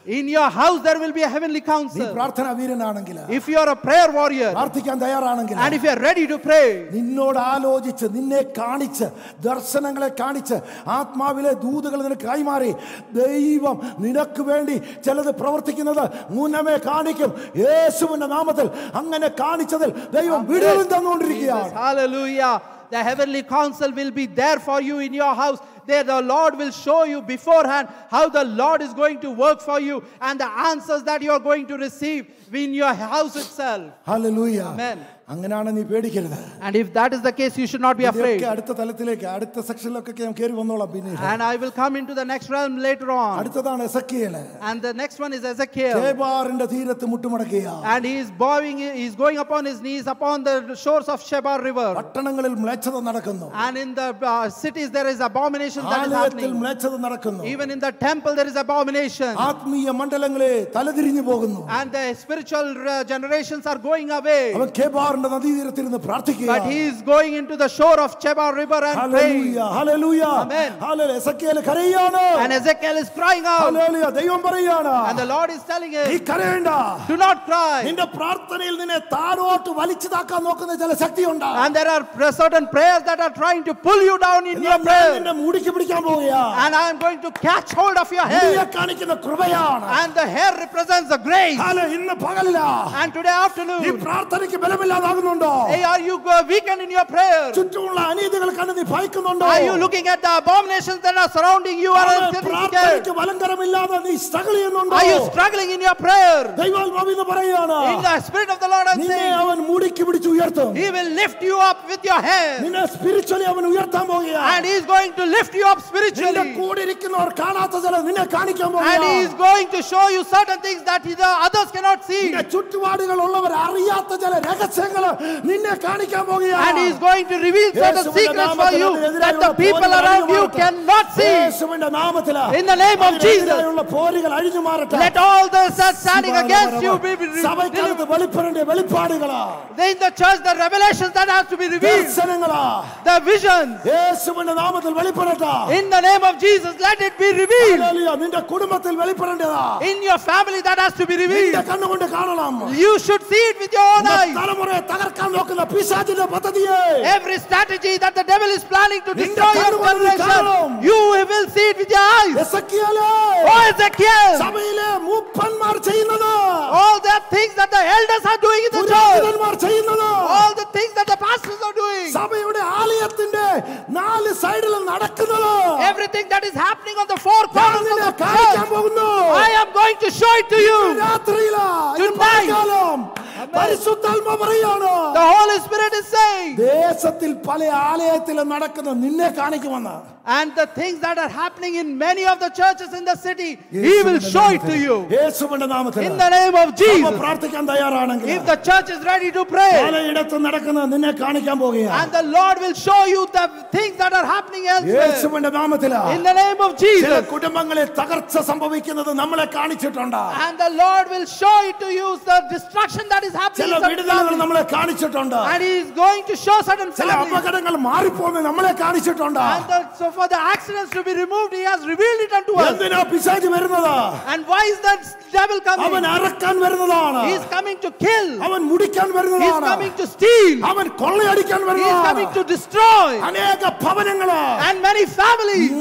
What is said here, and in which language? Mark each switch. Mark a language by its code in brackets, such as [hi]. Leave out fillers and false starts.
[en] in your house there will be a heavenly council [ml] നീ പ്രാർത്ഥനാ വീരനാണെങ്കിൽ [en] if you are a prayer warrior [ml] പ്രാർത്ഥിക്കാൻ തയ്യാറാണെങ്കിൽ [en] and if you are ready to pray [ml] നിന്നോട് ആലോചിച്ച് നിന്നെ കാണിച്ച് ദർശനങ്ങളെ കാണിച്ച് ആത്മാവിലെ ദൂതുകൾ നിനക്ക് കൈമാറി ദൈവം നിനക്ക് വേണ്ടി ചിലത് പ്രവർത്തിക്കുന്നത് മുന്നമേ കാണിക്കും യേശുവിന്റെ നാമത്തിൽ അങ്ങനെ കാണിച്ചതിൽ ദൈവം വിടുതലും തന്നുകൊണ്ടിരിക്കുകയാണ് [en] Hallelujah The heavenly council will be there for you in your house. There the Lord will show you beforehand how the Lord is going to work for you and the answers that you are going to receive in your house itself. Hallelujah. Amen. [ml] അങ്ങനെയാണ് നീ പേടിക്കരുത്. [en] And if that is the case, you should not be afraid. [ml] ഇതൊക്കെ അടുത്ത തലത്തിലേക്ക് അടുത്ത സെക്ഷനിലൊക്കെ ഞാൻ കേറി വന്നോളാം പിന്നീട്. [en] And I will come into the next realm later on. [ml] അടുത്തതാണ് Ezekiel. [en] And the next one is Ezekiel. [ml] ഷെബാറിന്റെ തീരത്ത് മുട്ടുമടക്കുക. [en] And he is bowing, he is going upon his knees upon the shores of Shebar River. [ml] പട്ടണങ്ങളിൽ മ്ലേച്ഛത നടക്കുന്നു. [en] And in the cities there is abomination that is happening. [ml] മ്ലേച്ഛത നടക്കുന്നു. [en] Even in the temple there is abomination. [ml] ആത്മീയ മണ്ഡലങ്ങളെ തലതിരിഞ്ഞു പോകുന്നു. [en] And the spiritual generations are going away. [ml] അവൻ കേബാറിന്റെ നദീതീരത്തിരുന്ന് പ്രാർത്ഥിക്കുക. [en] But he is going into the shore of Chebar River and praying. Hallelujah. Amen. Hallelujah. [ml] Ezekiel കരയുന്നു. [en] And Ezekiel is crying out. [ml] Hallelujah. ദൈവം പറയുകയാണ്. [en] And the Lord is telling him, [ml] നീ കരയണ്ട. [en] Do not cry. [ml] നിന്റെ പ്രാർത്ഥനയിൽ നിന്നെ താഴോട്ട് വലിച്ചുതാക്കാൻ നോക്കുന്ന ചില ശക്തിയുണ്ട്. [en] And there are certain prayers that are trying to pull you down in your prayer. [ml] നിന്നെ മുടിക്കി പിടിക്കാൻ പോവുകയാ. [en] And I am going to catch hold of your hair. [ml] നിന്നെ കാണിക്കുന്ന കൃപയാണ്. [en] And the hair represents the grace. [ml] Hallelujah. ഇന്ന് പകല്ല. [en] And today afternoon. [ml] നീ പ്രാർത്ഥനയ്ക്ക് ബലമില്ലാതാകുന്നുണ്ടോ? [en] Hey, are you weakened in your prayer? [ml] ചുറ്റുമുള്ള അനീതികളെ കണ്ട് നീ ഭയക്കുന്നുണ്ടോ? [en] Are you looking at the abominations that are surrounding you? Are you [ml] പ്രാർത്ഥനയ്ക്ക് ബലങ്കരമില്ലാതെ നീ സ്ട്രഗിൾ ചെയ്യുന്നുണ്ടോ? [en] Are you struggling in your prayer? [ml] ദൈവാത്മാവിനെ പറയുകയാണ്. [en] In the spirit of the Lord I'm saying. [ml] നിന്നെ അവൻ മുടിക്കി പിടിച്ച് ഉയർത്തും. [en] He will lift you up with your hair. [ml] നിന്നെ spiritually അവൻ ഉയർത്താൻ പോവുകയാ. [en] And he is going to lift you up spiritually. [ml] നിന്റെ കൂടെ ഇരിക്കുന്നവർ കാണാത്ത ചില നിന്നെ കാണിക്കാൻ പോവുകയാ. [en] And he is going to show you certain things that the others cannot see. [ml] നിന്റെ ചുറ്റുപാടുകൾ ഉള്ളവർ അറിയാത്ത ചില രഹസ്യങ്ങൾ നിന്നെ കാണിക്കാൻ പോവുകയാ. [en] And he is going to reveal certain secrets for you that the people around you cannot see. [ml] യേശുവിന്റെ നാമത്തിൽ. [en] In the name of Jesus. [ml] അവരുടെ പോരികൾ അഴിഞ്ഞു മാറട്ടെ. [en] Let all those standing against you be revealed. [ml] സഭയ്ക്കകത്ത് വെളിപ്പാടിന്റെ വെളിപ്പാടുകളാ. [en] In the church the revelations that have to be revealed. [ml] ദർശനങ്ങളാ. [en] The visions. [ml] യേശുവിന്റെ നാമത്തിൽ വെളിപ്പെടട്ടെ. [en] In the name of Jesus let it be revealed. [ml] Hallelujah. നിന്റെ കുടുംബത്തിൽ വെളിപ്പെടേണ്ടതാ. [en] In your family that has to be revealed. [ml] നിന്റെ കണ്ണുകൊണ്ട് കാണണം. [en] You should see it with your own eyes. [ml] തലമുറയെ തകർക്കാൻ നോക്കുന്ന പിശാചിന്റെ പദ്ധതിയേ. [en] Every strategy that the devil is planning to destroy your generation. You will see it with your eyes. [ml] എസക്കിയേലേ. [en] Oh Ezekiel. [ml] സഭയിലെ മൂപ്പന്മാർ ചെയ്യുന്നത്. [en] All the things that the elders are doing in the church. [ml] പുരോഹിതന്മാർ ചെയ്യുന്നത്. [en] All the things that the pastors are doing. [ml] സഭയുടെ ആലയത്തിന്റെ നാല് സൈഡില നടക്കുന്നത്. [en] Everything that is happening on the four corners of the church. I am going to show it to you. [ml] രാത്രിയില. [en] Tonight. [ml] പരിശുദ്ധാത്മ പറയാണ്. [en] The Holy Spirit is saying. [ml] ദേശത്തിൽ പല ആലയത്തിലും നടക്കുന്ന നിന്നെ കാണിക്കുമെന്ന്. [en] And the things that are happening in many of the churches in the city, he will show it to you. [ml] യേശുവിന്റെ നാമത്തിൽ. [en] In the name of Jesus. [ml] നമ്മൾ പ്രാർത്ഥിക്കാൻ തയ്യാറാണെങ്കിൽ. [en] If the church is ready to pray. [ml] പലയിടത്തും നടക്കുന്ന നിന്നെ കാണിക്കാൻ പോവുകയാണ്. [en] And the Lord will show you the things that are happening elsewhere. [ml] യേശുവിന്റെ നാമത്തിൽ. [en] In the name of Jesus. [ml] ചില കുടുംബങ്ങളെ തകർച്ച സംഭവിക്കുന്നത് നമ്മളെ കാണിച്ചിട്ടുണ്ട്. [en] And the Lord will show it to you the destruction that is happening. [ml] ചില വീടുകൾ നമ്മളെ കാണിച്ചിട്ടുണ്ട്. [en] And he is going to show certain things. [ml] ചില അപകടങ്ങൾ മാറിപ്പോകുന്ന നമ്മളെ കാണിച്ചിട്ടുണ്ട്. [en] So for the accidents to be removed he has revealed it unto us. [ml] Endina pisaji varunada. [en] And why is that devil coming? [ml] Avan arakkan varunadana. [en] He is coming to kill. [ml] Avan mudikkan varunadana. [en] He is coming to steal. [ml] Avan kollai adikkan varunadana. [en] He is coming to destroy. [ml] Aneka bhavanangala. [en] And many families.